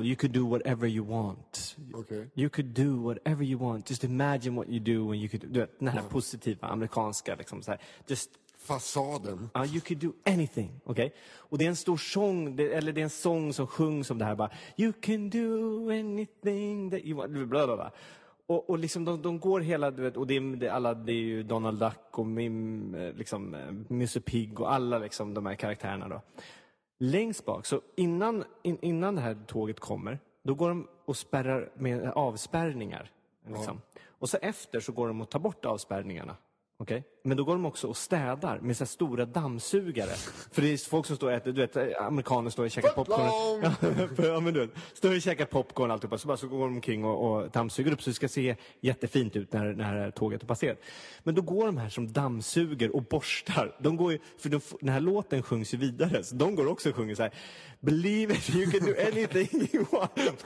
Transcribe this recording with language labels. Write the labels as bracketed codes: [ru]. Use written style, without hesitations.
[en] You could do whatever you want. Okay. You could do whatever you want. Just imagine what you do when you could do it. [sv] Den här positiva amerikanska liksom så här. [en] Just... [sv] fasaden. [en] You could do anything, okay? [sv] Och det är en stor sång, eller det är en sång som sjungs om det här, bara, [en] you can do anything that you want, [sv] bla, bla, bla. Och liksom de går hela, du vet, och det är ju Donald Duck och Mim, liksom Mr. Pig och alla liksom de här karaktärerna då. Längst bak, så innan det här tåget kommer, då går de och spärrar med avspärrningar, liksom. Ja. Och så efter så går de och tar bort avspärrningarna. Okay. Men då går de också och städar med så här stora dammsugare. För det är folk som står och äter, du vet, amerikaner står och käkar popcorn. Ja, men du vet, står och käkar popcorn alltihopa. Så går de omkring och dammsuger upp så det ska se jättefint ut när tåget har passerat. Men då går de här som dammsuger och borstar. De går ju, för den här låten sjungs ju vidare. Så de går också och sjunger så här. [en] Believe it, you can do anything you want.